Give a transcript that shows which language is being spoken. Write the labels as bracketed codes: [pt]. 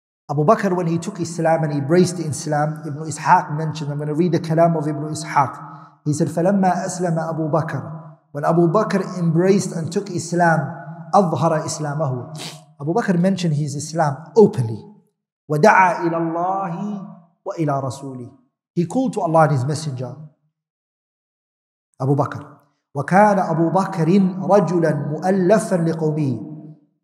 [en] Abu Bakr, when he took Islam and he embraced Islam, Ibn Ishaq mentioned, I'm going to read the kalam of Ibn Ishaq. He said, [ar] فَلَمَّا أَسْلَمَ أَبُو بَكْرَ. [en] When Abu Bakr embraced and took Islam, [ar] أَظْهَرَ إِسْلَامَهُ. [en] Abu Bakr mentioned his Islam openly. [ar] وَدَعَى إِلَى اللَّهِ وَإِلَى رَسُولِهِ. [en] He called to Allah and his messenger, Abu Bakr. [ar] وَكَانَ أَبُو بَكْرٍ رَجُلًا مُؤَلَّفًا لِقَوْمِهِ.